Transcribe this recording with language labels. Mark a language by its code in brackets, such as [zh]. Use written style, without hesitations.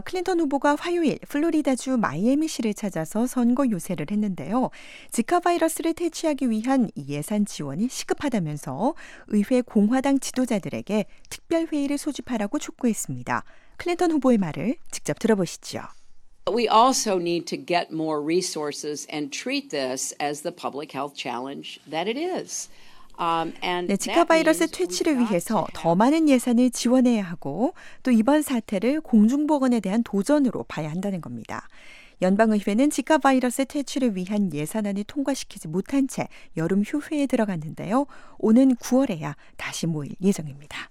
[ko] 클린턴 후보가 화요일 플로리다주 마이애미시를 찾아서 선거 유세를 했는데요. 지카 바이러스를 퇴치하기 위한 예산 지원이 시급하다면서 의회 공화당 지도자들에게 특별 회의를 소집하라고 촉구했습니다. 클린턴 후보의 말을 직접 들어보시죠. [en] We also need to get more resources and treat this as the public health challenge that it is. [ko] 네, 지카 바이러스 퇴치를 위해서 더 많은 예산을 지원해야 하고 또 이번 사태를 공중보건에 대한 도전으로 봐야 한다는 겁니다. 연방의회는 지카 바이러스 퇴치를 위한 예산안을 통과시키지 못한 채 여름 휴회에 들어갔는데요. 오는 9월에야 다시 모일 예정입니다.